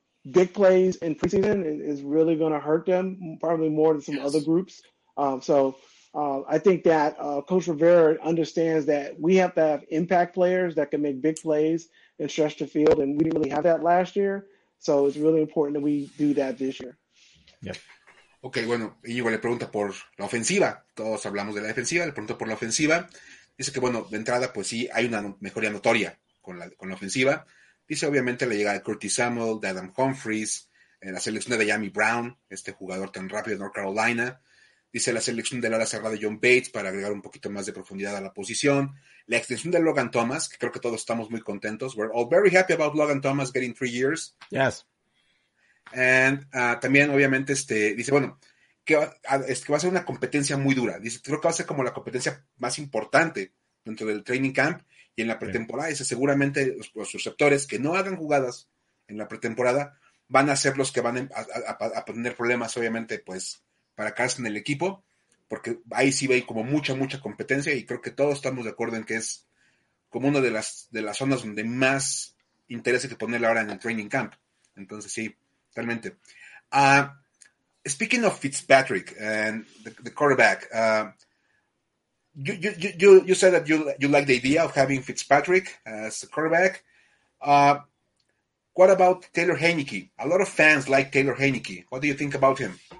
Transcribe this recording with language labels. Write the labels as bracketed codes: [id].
[en] big plays in preseason is really going to hurt them probably more than some yes. other groups. I think that Coach Rivera understands that we have to have impact players that can make big plays and stretch the field, and we didn't really have that last year. So it's really important that we do that this year. Yeah. [es] Okay, bueno, Íñigo le pregunta por la ofensiva. Todos hablamos de la defensiva, le pregunta por la ofensiva. Dice que, bueno, de entrada, pues sí, hay una mejoría notoria con la ofensiva. Dice, obviamente, la llegada de Curtis Samuel, de Adam Humphries, en la selección de Jami Brown, este jugador tan rápido de North Carolina. Dice la selección del ala cerrada de John Bates para agregar un poquito más de profundidad a la posición. La extensión de Logan Thomas, que creo que todos estamos muy contentos. [en] We're all very happy about Logan Thomas getting 3 years. Yes. [es] And también, obviamente, dice, bueno, que va a ser una competencia muy dura. Dice, creo que va a ser como la competencia más importante dentro del training camp y en la pretemporada. Dice, seguramente los receptores que no hagan jugadas en la pretemporada van a ser los que van a tener problemas, obviamente, pues, para quedarse en el equipo, porque ahí sí hay como mucha, mucha competencia, y creo que todos estamos de acuerdo en que es como una de las zonas donde más interés hay que ponerle ahora en el training camp. Entonces, sí, totalmente. [en] Speaking of Fitzpatrick and the quarterback, you said that you like the idea of having Fitzpatrick as the quarterback. What about Taylor Heinicke? A lot of fans like Taylor Heinicke. What do you think about him?